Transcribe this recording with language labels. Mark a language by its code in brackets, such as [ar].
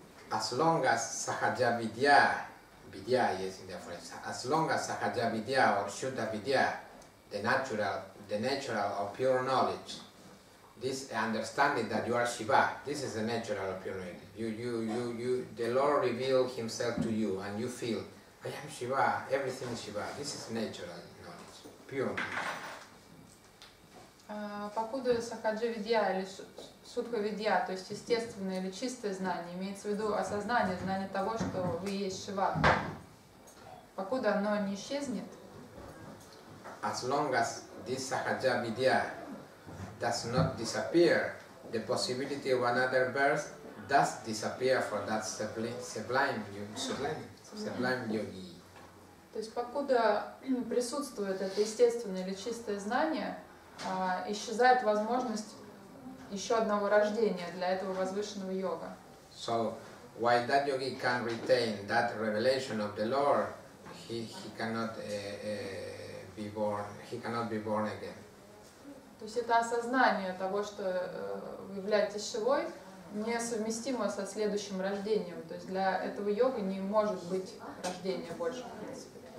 [en] As long as sahaja vidya, vidya is in the phrase, as long as sahaja vidya or shuddha vidya, the natural or pure knowledge, this understanding that you are Shiva, this is the natural or pure knowledge. You, the Lord revealed himself to you and you feel, I am Shiva, everything is Shiva, this is natural knowledge, pure knowledge. [ru] Покуда сахаджа-видья или сутха-видья, то есть естественное или чистое знание, имеется в виду осознание, знание того, что вы есть Шива, покуда оно не исчезнет, [en] as long as this сахаджа-видья does not disappear, the possibility of another birth does disappear for that sublime yogi. [ru] То есть покуда присутствует это естественное или чистое знание, исчезает возможность еще одного рождения для этого возвышенного йога. [en] So, while that yogi can retain that revelation of the Lord, he cannot be born again. [ru] То есть это осознание того, что вы являетесь Шивой, несовместимо со следующим рождением. То есть для этого йога не может быть рождения больше, в принципе.